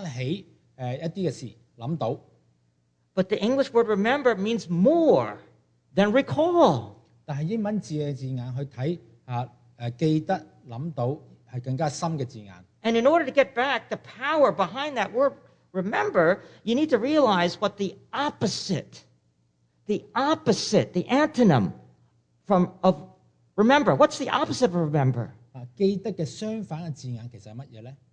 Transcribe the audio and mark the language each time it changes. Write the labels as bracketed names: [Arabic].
[Chinese] 我們記得的意思就是說,我想起一些事,想到。 [English] But the English word remember means more than recall. [Chinese] 但是英文字的字眼去看,記得,想到,是更加深的字眼。 [English] And in order to get back the power behind that word remember, you need to realize what the opposite, the antonym of remember. What's the opposite of remember? [Chinese] 記得的相反的字眼其實是什麼呢?